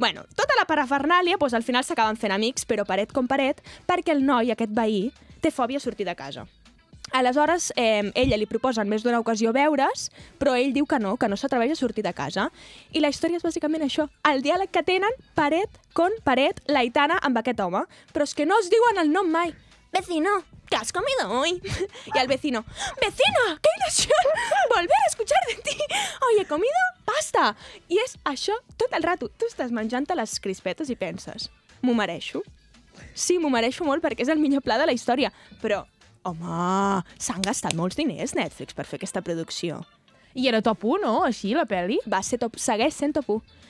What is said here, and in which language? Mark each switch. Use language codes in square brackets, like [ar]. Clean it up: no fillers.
[ca] Bueno, tota la parafernàlia, doncs al final s'acaben fent amics, però paret com paret, perquè el noi, aquest veí, té fòbia a sortir de casa. Aleshores, ella li proposa en més d'una ocasió veure's, però ell diu que no s'atreveix a sortir de casa. I la història és bàsicament això, el diàleg que tenen paret com paret l'Aitana amb aquest home. Però és que no es diuen el nom mai. [es] Vecino, ¿qué has comido hoy? Y al vecino, ¡vecina, qué ilusión volver a escuchar de ti! Hoy he comido pasta. [ca] I és això tot el rato. Tu estàs menjant-te les crispetes i penses, m'ho mereixo? Sí, m'ho mereixo molt perquè és el millor pla de la història. Però Home, s'han gastat molts diners Netflix per fer aquesta producció. I era top 1, no? Així, la pel·li? Va ser top... Segueix sent top 1.